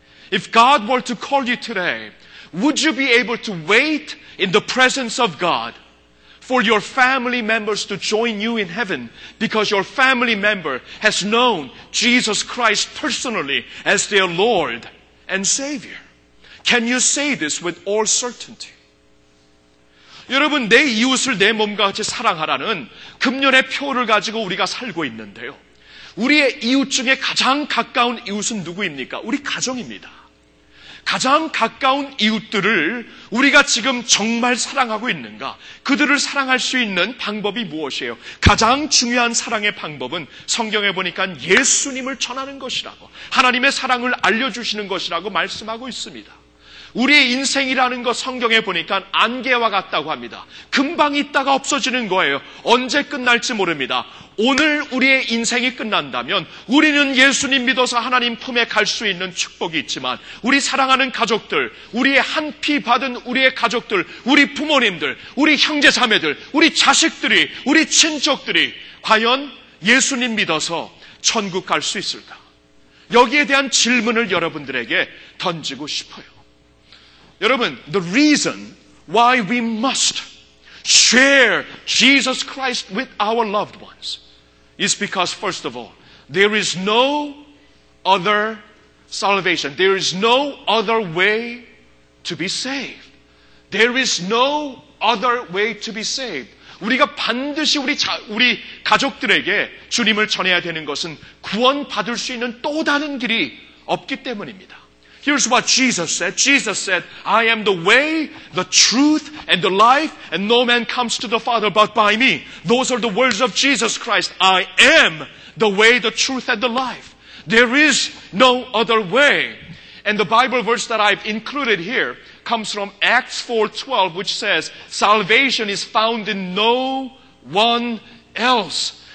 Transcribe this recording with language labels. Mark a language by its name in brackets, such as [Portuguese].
[English] If God were to call you today, would you be able to wait in the presence of God for your family members to join you in heaven because your family member has known Jesus Christ personally as their Lord and Savior? Can you say this with all certainty? [Korean] 여러분, 내 이웃을 내 몸과 같이 사랑하라는 금년의 표를 가지고 우리가 살고 있는데요. 우리의 이웃 중에 가장 가까운 이웃은 누구입니까? 우리 가정입니다. 가장 가까운 이웃들을 우리가 지금 정말 사랑하고 있는가? 그들을 사랑할 수 있는 방법이 무엇이에요? 가장 중요한 사랑의 방법은 성경에 보니까 예수님을 전하는 것이라고, 하나님의 사랑을 알려주시는 것이라고 말씀하고 있습니다. 우리의 인생이라는 것 성경에 보니까 안개와 같다고 합니다. 금방 있다가 없어지는 거예요. 언제 끝날지 모릅니다. 오늘 우리의 인생이 끝난다면 우리는 예수님 믿어서 하나님 품에 갈 수 있는 축복이 있지만 우리 사랑하는 가족들, 우리의 한 피 받은 우리의 가족들, 우리 부모님들, 우리 형제 자매들, 우리 자식들이, 우리 친척들이 과연 예수님 믿어서 천국 갈 수 있을까? 여기에 대한 질문을 여러분들에게 던지고 싶어요. 여러분, [English] the reason why we must share Jesus Christ with our loved ones is because, first of all, there is no other salvation. There is no other way to be saved. There is no other way to be saved. [Korean] 우리가 반드시 우리 가족들에게 주님을 전해야 되는 것은 구원 받을 수 있는 또 다른 길이 없기 때문입니다. [English] Here's what Jesus said. Jesus said, I am the way, the truth, and the life, and no man comes to the Father but by me. Those are the words of Jesus Christ. I am the way, the truth, and the life. There is no other way. And the Bible verse that I've included here comes from Acts 4:12, which says, salvation is found in no one else.